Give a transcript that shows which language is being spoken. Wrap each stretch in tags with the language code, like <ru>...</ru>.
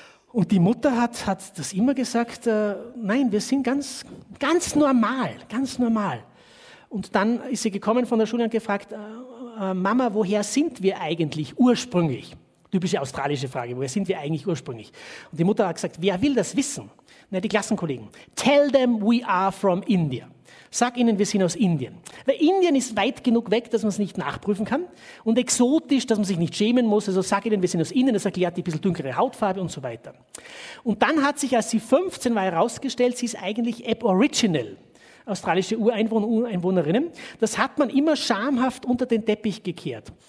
<de>Und die Mutter hat das immer gesagt, nein, wir sind ganz, ganz normal, ganz normal. Und dann ist sie gekommen von der Schule und gefragt, Mama, woher sind wir eigentlich ursprünglich? Typische australische Frage, woher sind wir eigentlich ursprünglich? Und die Mutter hat gesagt, wer will das wissen? Na, die Klassenkollegen.</de> <en>Tell them we are from India.</en> <de>Sag ihnen, wir sind aus Indien. Weil Indien ist weit genug weg, dass man es nicht nachprüfen kann. Und exotisch, dass man sich nicht schämen muss. Also sag ihnen, wir sind aus Indien. Das erklärt die ein bisschen dunklere Hautfarbe und so weiter. Und dann hat sich, als sie 15 war, herausgestellt, sie ist eigentlich Aboriginal. Australische Ureinwohner, Ureinwohnerinnen, das hat man immer schamhaft unter den Teppich gekehrt.</de>